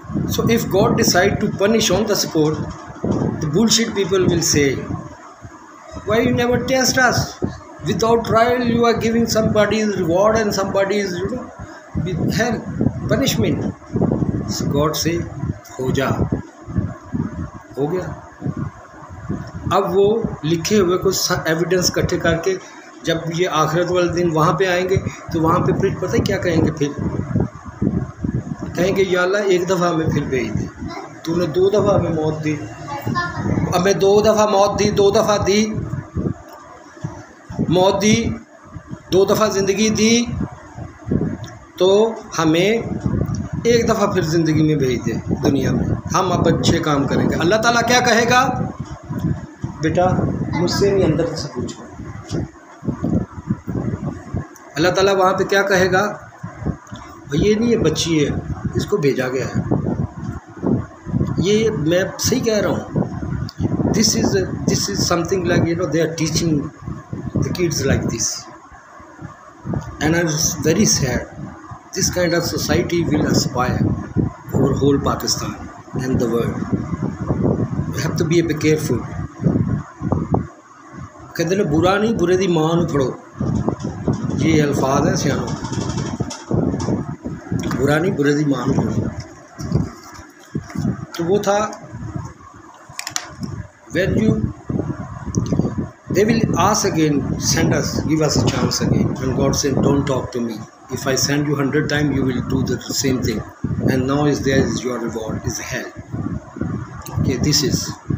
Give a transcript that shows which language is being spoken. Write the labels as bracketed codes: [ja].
[en] So if God decide to punish on the spot, the bullshit people will say, why you never test us? Without trial you are giving somebody's reward and somebody's, you know, with hell, punishment. So God say, [hi] हो जा, हो गया. अब वो लिखे हुए कुछ evidence इकट्ठे करके जब ये आखिरत वाले दिन वहाँ पे आएंगे, तो वहाँ पे फिर पता है क्या कहेंगे? फिर कहेंगे, या अल्लाह एक दफ़ा हमें फिर भेज दी, तूने दो दफ़ा हमें मौत दी, हमें दो दफ़ा मौत दी, दो दफ़ा दी मौत दी, दो दफ़ा ज़िंदगी दी, तो हमें एक दफ़ा फिर ज़िंदगी में भेज दे दुनिया में, हम अब अच्छे काम करेंगे. अल्लाह ताला क्या कहेगा? बेटा मुझसे नहीं, अंदर से पूछो. अल्लाह ताला वहाँ पे क्या कहेगा? ये नहीं, ये बच्ची है, इसको भेजा गया है. ये मैं सही कह रहा हूँ. [en] This is something like, you know, they are teaching the kids like this, and I am very sad. This kind of society will aspire for whole Pakistan and the world. You have to be a bit careful. [hi] कहते ना, [pa] बुरा नहीं बुरे दी माँ नू फड़ो. [hi] ये अल्फाज हैं सियानों, बुरा नहीं बुरे दी माँ नू फड़ो. तो वो था, [en] when you, they will ask again, send us, give us a chance again, and God said, don't talk to me. If I send you 100 times, you will do the same thing. And now is there is your reward, is hell. Okay, this is.